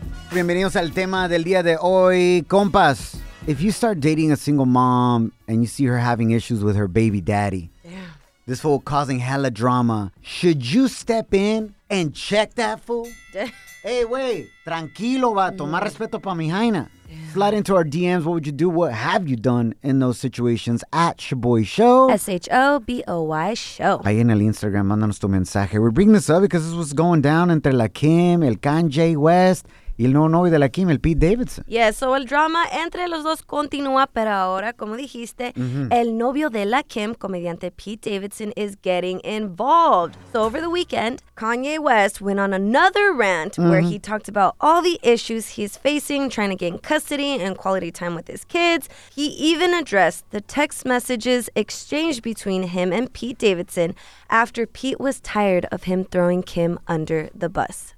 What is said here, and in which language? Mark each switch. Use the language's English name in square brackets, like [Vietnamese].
[Spanish] Bienvenidos al tema del día de hoy, compas. [English] If you start dating a single mom and you see her having issues with her baby daddy, yeah. This fool causing hella drama, should you step in and check that fool? Hey, wait, tranquilo, vato, más respeto pa' mi jaina. Slide into our DMs. What would you do? What have you done in those situations? At Shoboy Show. Shoboy Show. [Spanish] Ahí en el Instagram, mándanos tu mensaje. We're bringing this up because this was going down entre la Kim, el Kanye West, y el nuevo novio de la Kim, el Pete Davidson. Yeah, so el drama entre los dos continúa, pero ahora, como dijiste, el novio de la Kim, comediante Pete Davidson, is getting involved. [English] So over the weekend, Kanye West went on another rant where he talked about all the issues he's facing trying to gain custody and quality time with his kids. He even addressed the text messages exchanged between him and Pete Davidson after Pete was tired of him throwing Kim under the bus.